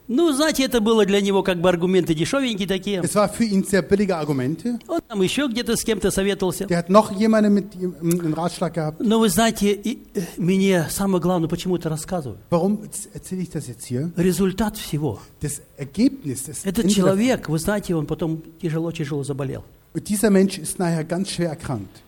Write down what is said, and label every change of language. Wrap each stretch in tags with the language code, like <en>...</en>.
<ru>Ну, знаете, это было для него как бы аргументы дешевенькие такие.</ru> <de>Es war für ihn sehr billige Argumente.</de> <ru>Он там еще где-то с кем-то советовался.</ru> <de>Der hat noch jemanden mit ihm einen Ratschlag gehabt.</de> <ru>Но вы знаете, мне самое главное, почему это рассказываю.</ru> <de>Warum erzähle ich das jetzt hier?</de> <ru>Результат всего.</ru> <de>Das Ergebnis.</de> <ru>Этот человек, вы знаете, он потом тяжело-тяжело заболел.</ru> <de>Und dieser Mensch ist nachher ganz schwer erkrankt.</de>